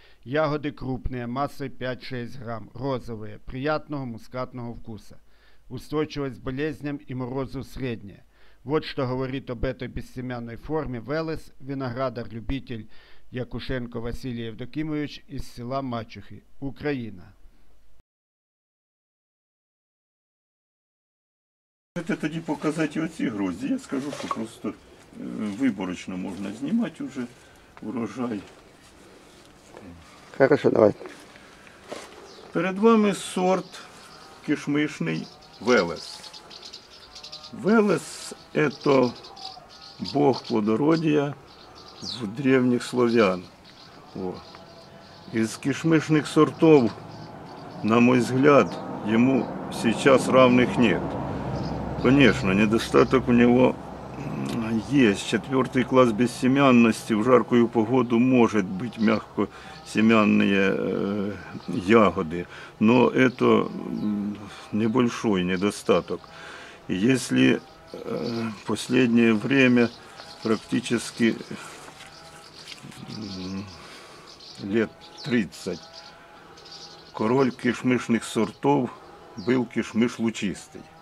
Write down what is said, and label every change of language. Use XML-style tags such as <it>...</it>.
<ru>Ягоды крупные, массой 5-6 грамм, розовые, приятного мускатного вкуса. Устойчивость к болезням и морозу средняя. Вот что говорит об этой безсемянной форме Велес, виноградар-любитель Якушенко Василий Евдокимович из села Мачухи, Украина.</ru> <uk>Можете тоді показати оці грозді. Я скажу, що просто виборочно можна знімати вже урожай.</uk> <ru>Хорошо, давай.</ru> <uk>Перед вами сорт кишмишний Велес. Велес – це бог плодородія в древніх слов'ян. О. Із кишмишних сортів, на мій взгляд, йому зараз</uk> <ru>равних нет. Конечно, недостаток у него есть. Четвертый класс бессемянности в жаркую погоду может быть мягкосемянные ягоды, но это небольшой недостаток. Если последнее время практически лет 30 король кишмишных сортов был кишмиш лучистый.</ru>